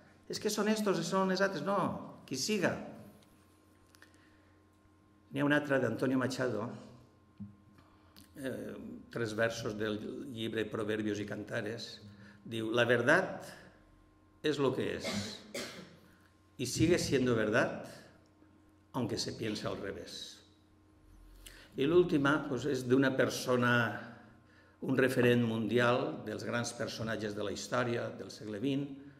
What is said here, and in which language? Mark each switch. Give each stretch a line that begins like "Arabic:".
Catalan: És que són estos i són els altres. No, qui siga. N'hi ha una altra d'Antonio Machado. Tres versos del llibre Proverbios y Cantares. Diu, la veritat és el que és.
Spanish: Y sigue siendo verdad, aunque se piense al revés.
Catalan: Y l'última pues, és d'una persona, un referent mundial dels grans personatges de la història del segle XX.